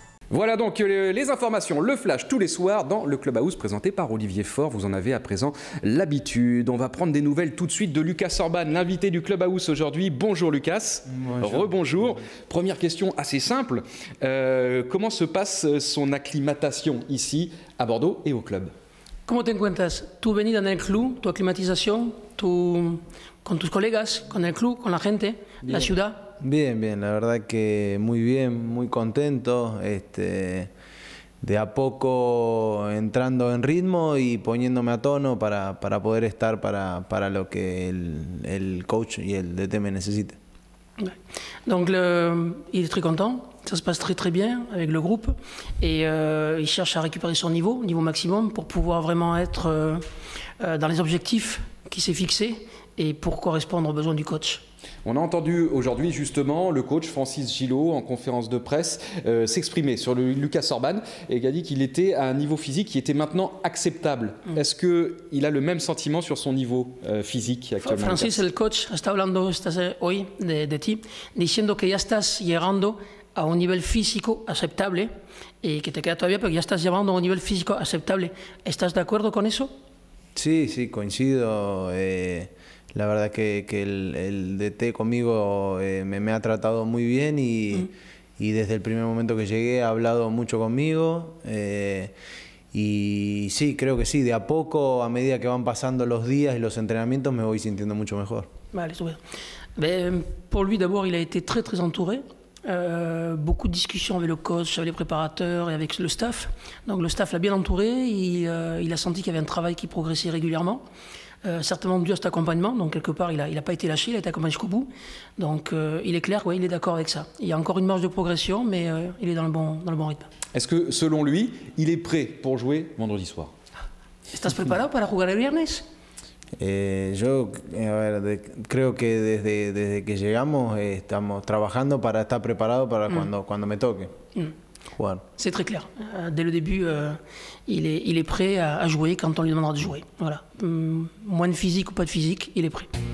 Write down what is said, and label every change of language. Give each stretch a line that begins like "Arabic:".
French: Voilà donc les informations, le flash tous les soirs dans le Clubhouse présenté par Olivier Faure. Vous en avez à présent l'habitude. On va prendre des nouvelles tout de suite de Lucas Orban, l'invité du Clubhouse aujourd'hui. Bonjour Lucas. Bonjour. Rebonjour. Bonjour. Première question assez simple. Comment se passe son acclimatation ici à Bordeaux et au club? Comment
Spanish: te encuentras?
French: Tu venis dans un club, tu acclimatisation,
Spanish: tu con tus colegas, con el club, con la gente, bien. La ciudad. Bien, bien, la verdad que muy bien, muy contento, de a poco entrando en ritmo y poniéndome a tono para poder estar para lo que el coach y el DT me necesite.
French: Donc il est très content, ça se passe très très bien avec le groupe et il cherche à récupérer son niveau maximum pour pouvoir vraiment être dans les objectifs qui s'est fixé et pour correspondre aux besoins du coach. On a entendu aujourd'hui justement le coach Francis Gillot en conférence de presse s'exprimer sur Lucas Orban et il a dit qu'il était à un niveau physique qui était maintenant acceptable. Mm. Est-ce qu'il a le même sentiment sur son niveau physique actuellement?
Spanish: Francis, el coach, está hablando hoy de ti, diciendo que ya estás llegando a un nivel físico aceptable y que te queda todavía, pero ya estás llegando a un nivel físico aceptable. ¿Estás de acuerdo con eso? Sí, sí, coincido. La verdad que el DT conmigo me ha tratado muy bien y, y desde el primer momento que llegué ha hablado mucho conmigo. Y sí, creo que sí, de a poco, a medida que van pasando los días y los entrenamientos, me voy sintiendo mucho mejor. Vale, super.
French: Por lui, d'abord, il a été très, très entouré. Beaucoup de discussions avec le coach, avec les préparateurs et avec le staff. Donc le staff l'a bien entouré. Il a senti qu'il y avait un travail qui progressait régulièrement. Certainement dû à cet accompagnement, donc quelque part il a pas été lâché, il a été accompagné jusqu'au bout. Donc il est clair, oui, il est d'accord avec ça. Il y a encore une marge de progression, mais il est dans le bon rythme. Est-ce que selon lui, il est prêt pour jouer vendredi soir?
Spanish: ¿Estás preparado para jugar el viernes? Yo, a ver, creo que desde que llegamos estamos trabajando para estar preparado para cuando me toque. Juan.
French: C'est très clair. Dès le début, il est prêt à jouer quand on lui demandera de jouer. Voilà. Moins de physique ou pas de physique, il est prêt.